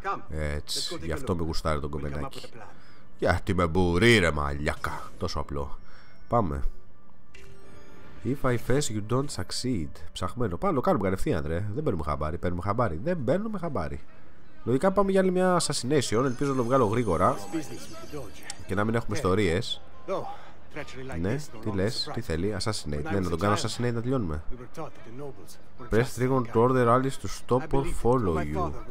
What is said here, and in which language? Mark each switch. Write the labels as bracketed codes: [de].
[el] Έτσι, γι' αυτό με γουστάρει τον κομμενάκι. Γιατί με μπουρεί ρε μαλιάκα. Τόσο απλό. Πάμε. [en] If I fail, you don't succeed. [el] Ψαχμένο, πάλι το κάνουμε κατευθείαν ρε. Δεν παίρνουμε χαμπάρι, Δεν παίρνουμε χαμπάρι. Λογικά πάμε για άλλη μια assassination. Ελπίζω να το βγάλω γρήγορα και να μην έχουμε ιστορίες. Ναι, τι λες, τι θέλει, assassinate. Ναι, να τον κάνω assassinate να τελειώνουμε. [en] Press trigger to order allies to stop or follow you.